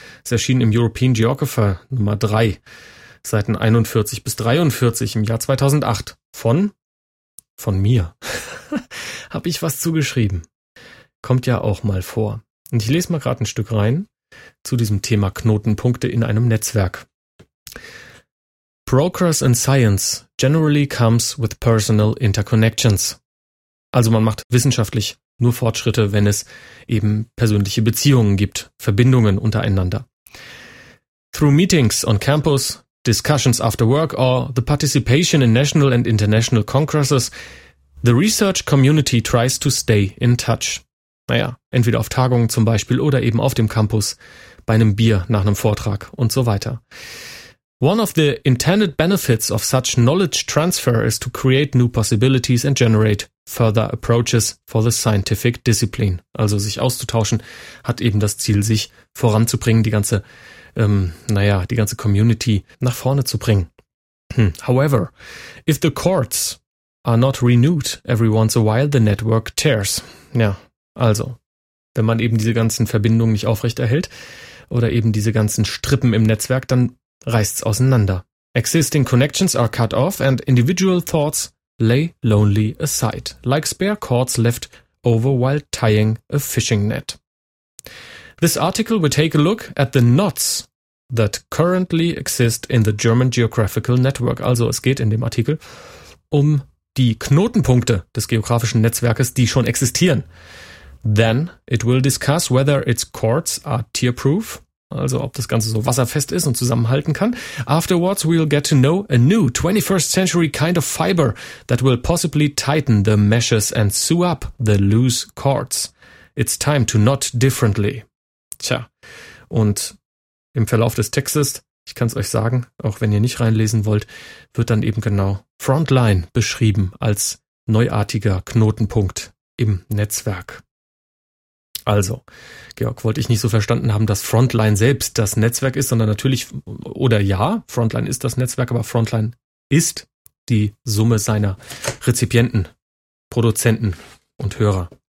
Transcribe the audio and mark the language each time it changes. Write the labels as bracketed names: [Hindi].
[German] Es erschien im European Geographer Nummer 3, Seiten 41 bis 43 im Jahr 2008. Von mir. Habe ich was zugeschrieben. Kommt ja auch mal vor. Und ich lese mal gerade ein Stück rein zu diesem Thema Knotenpunkte in einem Netzwerk. [English] Progress in science generally comes with personal interconnections. [German] Also man macht wissenschaftlich nur Fortschritte, wenn es eben persönliche Beziehungen gibt, Verbindungen untereinander. [English] Through meetings on campus, discussions after work or the participation in national and international congresses, the research community tries to stay in touch. [German] Naja, entweder auf Tagungen zum Beispiel oder eben auf dem Campus bei einem Bier nach einem Vortrag und so weiter. [English] One of the intended benefits of such knowledge transfer is to create new possibilities and generate further approaches for the scientific discipline. [German] Also sich auszutauschen hat eben das Ziel, sich voranzubringen, die ganze, die ganze Community nach vorne zu bringen. [English] However, if the cords are not renewed every once a while, the network tears. [German] Ja. Also, wenn man eben diese ganzen Verbindungen nicht aufrechterhält oder eben diese ganzen Strippen im Netzwerk, dann reißt's auseinander. [English] Existing connections are cut off and individual thoughts lay lonely aside, like spare cords left over while tying a fishing net. This article will take a look at the knots that currently exist in the German Geographical Network. [German] Also, es geht in dem Artikel um die Knotenpunkte des geografischen Netzwerkes, die schon existieren. [English] Then it will discuss whether its cords are tearproof, [German] also ob das Ganze so wasserfest ist und zusammenhalten kann. [English] Afterwards we'll get to know a new 21st century kind of fiber that will possibly tighten the meshes and sew up the loose cords. It's time to knot differently. [German] Tja, und im Verlauf des Textes, ich kann es euch sagen, auch wenn ihr nicht reinlesen wollt, wird dann eben genau Frontline beschrieben als neuartiger Knotenpunkt im Netzwerk. Also, Georg, wollte ich nicht so verstanden haben, dass Frontline selbst das Netzwerk ist, sondern natürlich, oder ja, Frontline ist das Netzwerk, aber Frontline ist die Summe seiner Rezipienten, Produzenten und Hörer.